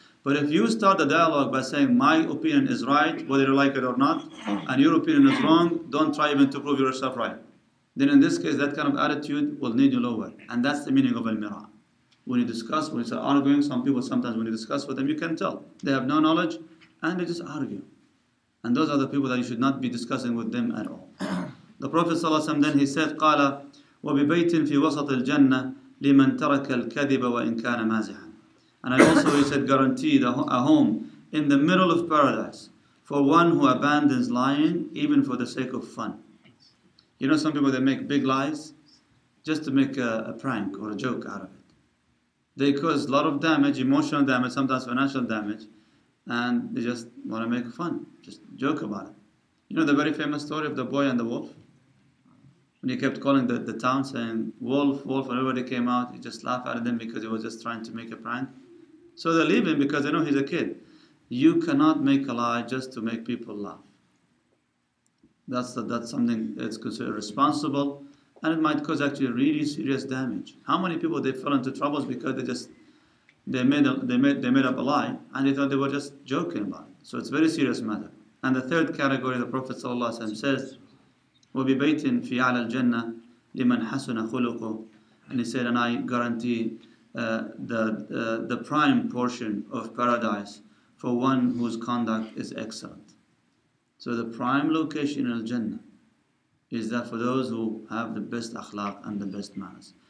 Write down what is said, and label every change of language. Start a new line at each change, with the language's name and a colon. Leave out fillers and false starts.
English: But if you start the dialogue by saying, my opinion is right, whether you like it or not, and your opinion is wrong, don't try even to prove yourself right. Then in this case, that kind of attitude will need you lower. And that's the meaning of al-mira. When you discuss, when you start arguing, some people sometimes when you discuss with them, you can tell. They have no knowledge, and they just argue. And those are the people that you should not be discussing with them at all. The Prophet ﷺ, then he said,
Arabic: قَالَ وَبِبَيْتٍ فِي وَسَطِ الْجَنَّةِ لِمَنْ تَرَكَ الْكَذِبَ وَإِنْ كَانَ مَازِحًا.
English: And I also, he said, guarantee a home in the middle of paradise for one who abandons lying even for the sake of fun. You know, some people, they make big lies just to make a prank or a joke out of it. They cause a lot of damage, emotional damage, sometimes financial damage, and they just want to make fun, just joke about it. You know the very famous story of the boy and the wolf? When he kept calling the town saying, wolf, wolf, and everybody came out, he just laughed at them because he was just trying to make a prank. So they leave him because they know he's a kid. You cannot make a lie just to make people laugh. That's something that's considered responsible, and it might cause actually really serious damage. How many people, they fell into troubles because they made up a lie, and they thought they were just joking about it. So it's a very serious matter. And the third category, the Prophet ﷺ says,
Arabic: وَبِبَيْتٍ فِي عَلَى الْجَنَّةِ لِمَنْ حَسُنَ خُلُقُهُ.
English: And he said, and I guarantee the prime portion of paradise for one whose conduct is excellent. So the prime location in Al-Jannah is that for those who have the best akhlaq and the best manners.